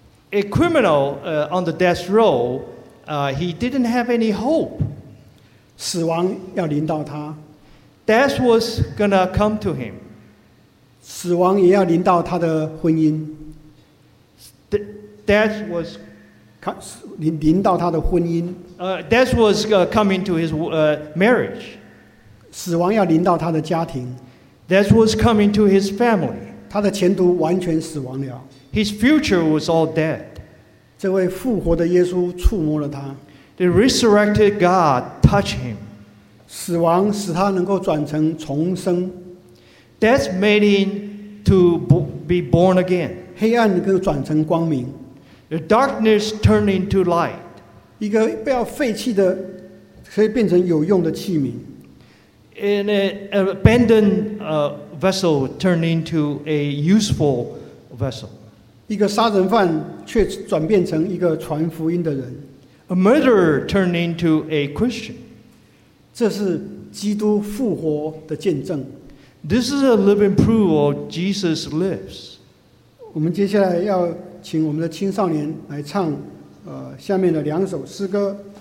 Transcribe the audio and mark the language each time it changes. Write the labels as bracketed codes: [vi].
[en] A criminal on the death row, he didn't have any hope. [zh] 死亡要临到他。 [en] Death was gonna come to him. [zh] 死亡也要临到他的婚姻。 [en] Death was [zh] 临到他的婚姻。 [en] Death was coming to his marriage. [zh] 死亡要临到他的家庭。 [en] That was coming to his family. [zh] 他的前途完全死亡了。 [en] His future was all dead. [zh] 这位复活的耶稣触摸了他。 [en] The resurrected God touched him. [zh] 死亡使他能够转成重生。 [en] Death made him to be born again. [zh] 黑暗能够转成光明。 [en] The darkness turned into light. [zh] 一个被要废弃的可以变成有用的器皿。 [en] An abandoned vessel turned into a useful vessel. [zh] 一个杀人犯却转变成一个传福音的人。 [en] A murderer turned into a Christian. [zh] 这是基督复活的见证。 [en] This is a living proof of Jesus lives. [zh] 我们接下来要请我们的青少年来唱下面的两首诗歌。